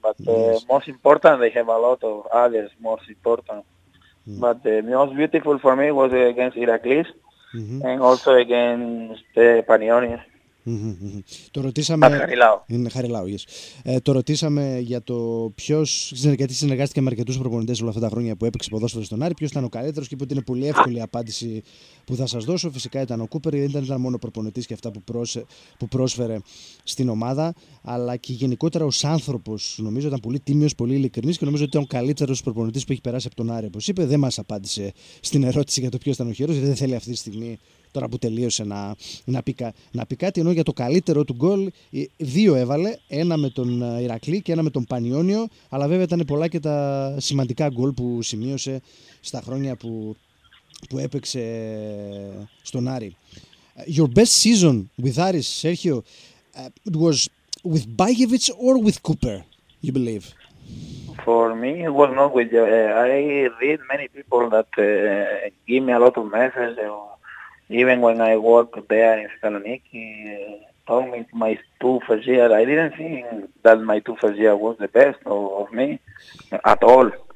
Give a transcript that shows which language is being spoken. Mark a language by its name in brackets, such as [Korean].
[English] But most important, they have a lot of others, most important. But the most beautiful for me was against Heracles, and also against Panionios. [Greek] Το ρωτήσαμε. Χαριλάου, yes. Το ρωτήσαμε για το ποιος, γιατί συνεργάστηκε με αρκετούς προπονητές όλα αυτά τα χρόνια που έπαιξε ποδόσφαιρο στον Άρη. Ποιος ήταν ο καλύτερος, και είπε ότι είναι πολύ εύκολη η απάντηση που θα σας δώσω. Φυσικά ήταν ο Κούπερ, δεν ήταν μόνο προπονητής και αυτά που πρόσφερε στην ομάδα, αλλά και γενικότερα ως άνθρωπος. Νομίζω ήταν πολύ τίμιος, πολύ ειλικρινής, και νομίζω ότι ήταν ο καλύτερος προπονητής που έχει περάσει από τον Άρη. Όπως είπε, δεν μας απάντησε στην ερώτηση για το ποιος ήταν ο χειρός, γιατί δεν θέλει αυτή τη στιγμή, τώρα που τελείωσε, να πει κάτι. Ενώ για το καλύτερο του γκολ, δύο έβαλε, ένα με τον Ηρακλή και ένα με τον Πανιόνιο, αλλά βέβαια ήταν πολλά και τα σημαντικά γκολ που σημείωσε στα χρόνια που έπαιξε στον Άρη. [English] Your best season with Aris, Sergio, it was with Bajevic or with Cooper, you believe? For me, it was not with I read many people that give me a lot of messages. Even when I worked there in Thessaloniki, told me my two first year, I didn't think that my two first year was the best of me at all.